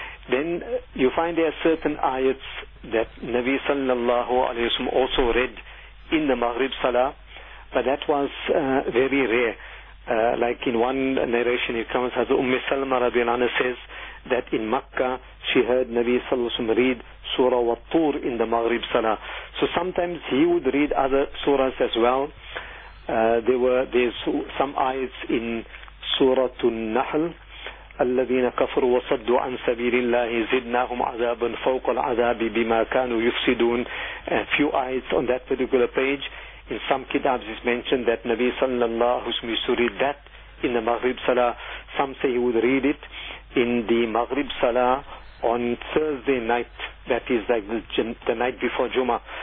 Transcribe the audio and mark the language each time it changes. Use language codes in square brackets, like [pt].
[en] Then you find there are certain ayats that Nabi sallallahu alayhi wa sallam also read in the Maghrib Salah, but that was very rare. Like in one narration it comes, as Umm Salama radiallahu anha says that in Makkah she heard Nabi sallallahu alayhi wa sallam read Surah Wat-Tur in the Maghrib Salah. So sometimes he would read other surahs as well. There's some ayats in Surah An-Nahl, [ar] الَّذِينَ كَفَرُوا وَصَدُّوا عَن سَبِيلِ اللَّهِ زِدْنَاهُمْ عَذَابًا فَوْقَ الْعَذَابِ بِمَا كَانُوا يُفْسِدُونَ. [en] A few ayats on that particular page. In some kitabs it's mentioned that Nabi sallallahu alayhi wa sallam used to read that in the Maghrib Salah. Some say he would read it in the Maghrib Salah on Thursday night, that is like the night before Jummah.